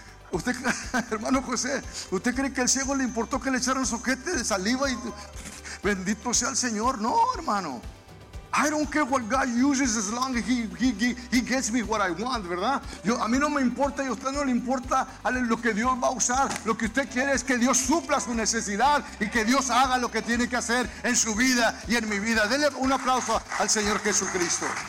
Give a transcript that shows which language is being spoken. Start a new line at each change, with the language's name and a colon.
Spanish: Usted, hermano José, ¿usted cree que al ciego le importó que le echaran soquete de saliva y bendito sea el Señor? No, hermano.
English: I don't care what God uses as long as he gets me what I want, ¿verdad?
Spanish: Yo, a mí no me importa y a usted no le importa lo que Dios va a usar. Lo que usted quiere es que Dios supla su necesidad y que Dios haga lo que tiene que hacer en su vida y en mi vida. Dele un aplauso al Señor Jesucristo.